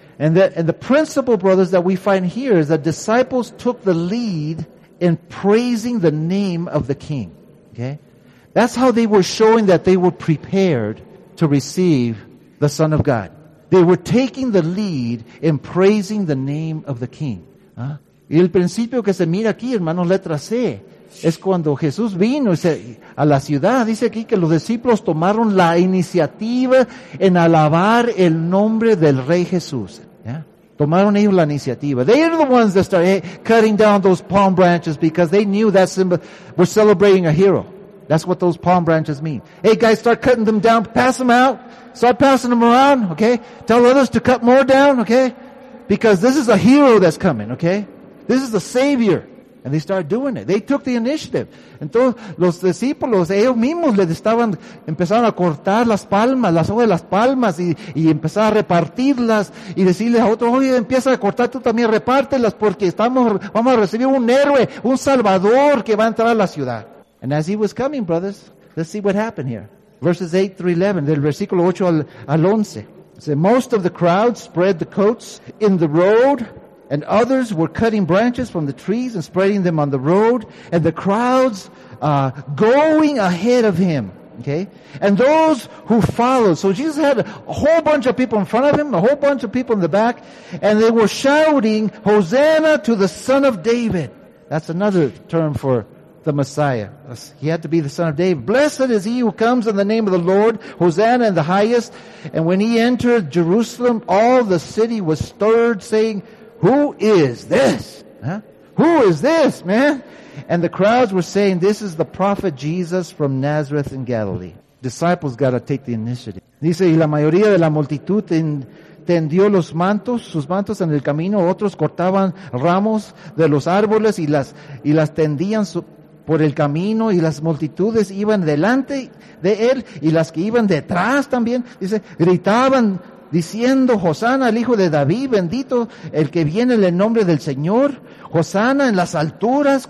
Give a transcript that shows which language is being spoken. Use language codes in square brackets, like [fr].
[en] And the principle, brothers, that we find here is that disciples took the lead and praising the name of the king. Okay? That's how they were showing that they were prepared to receive the Son of God. They were taking the lead in praising the name of the king. ¿Ah? [es] Y el principio que se mira aquí, hermanos, letra C, es cuando Jesús vino a la ciudad. Dice aquí que los discípulos tomaron la iniciativa en alabar el nombre del Rey Jesús. [en] ¿Yeah? [es] Tomaron ellos la iniciativa. [en] They are the ones that started cutting down those palm branches because they knew that symbol. We're celebrating a hero. That's what those palm branches mean. Hey guys, start cutting them down. Pass them out. Start passing them around, okay? Tell others to cut more down, okay? Because this is a hero that's coming, okay? This is the Savior. And they started doing it. They took the initiative. [es] Entonces, los discípulos, ellos mismos les estaban, empezaron a cortar las palmas, las hojas de las palmas, y empezaron a repartirlas, y decirles a otros, oye, empieza a cortar, tú también repártelas, porque vamos a recibir un héroe, un salvador que va a entrar a la ciudad. [en] And as he was coming, brothers, let's see what happened here. Verses 8 through 11, [es] del versículo 8 al 11. [en] It says, most of the crowd spread the coats in the road, and others were cutting branches from the trees and spreading them on the road, and the crowds going ahead of him. Okay? And those who followed. So Jesus had a whole bunch of people in front of him, a whole bunch of people in the back, and they were shouting, Hosanna to the Son of David. That's another term for the Messiah. He had to be the Son of David. Blessed is he who comes in the name of the Lord. Hosanna in the highest. And when he entered Jerusalem, all the city was stirred, saying, who is this? Huh? Who is this, man? And the crowds were saying, this is the prophet Jesus from Nazareth in Galilee. Disciples got to take the initiative. [es] Dice, y la mayoría de la multitud tendió los mantos, sus mantos en el camino. Otros cortaban ramos de los árboles y las tendían por el camino, y las multitudes iban delante de él, y las que iban detrás también, dice, gritaban diciendo, Hosanna al Hijo de David, bendito el que viene en el nombre del Señor, Hosanna en las alturas.